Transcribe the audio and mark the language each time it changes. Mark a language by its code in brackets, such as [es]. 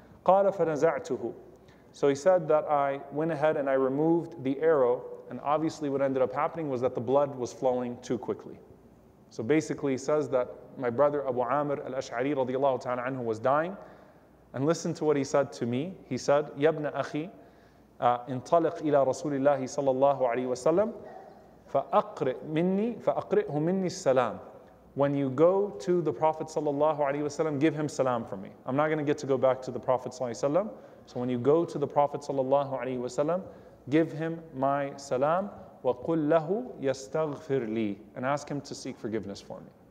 [ar] قَالَ فَنَزَعْتُهُ. [en] So he said that I went ahead and I removed the arrow, and obviously what ended up happening was that the blood was flowing too quickly. So basically he says that my brother Abu Amir al-Ash'ari radiallahu ta'ala anhu was dying, and listen to what he said to me. He said, [ar] يَبْنَ أَخِي انطلق إِلَى رَسُولِ اللَّهِ صَلَى اللَّهُ عَلَيْهِ وَسَلَّمْ فَأَقْرِئْهُ مِنِّي السَّلَامِ. [en] When you go to the Prophet sallallahu alaihi wasallam, give him salam for me. I'm not going to get to go back to the Prophet sallallahu alaihi wasallam. So when you go to the Prophet sallallahu alaihi wasallam, give him my salam. [ar] وَقُلْ لَهُ يَسْتَغْفِرْ لِي, [en] and ask him to seek forgiveness for me.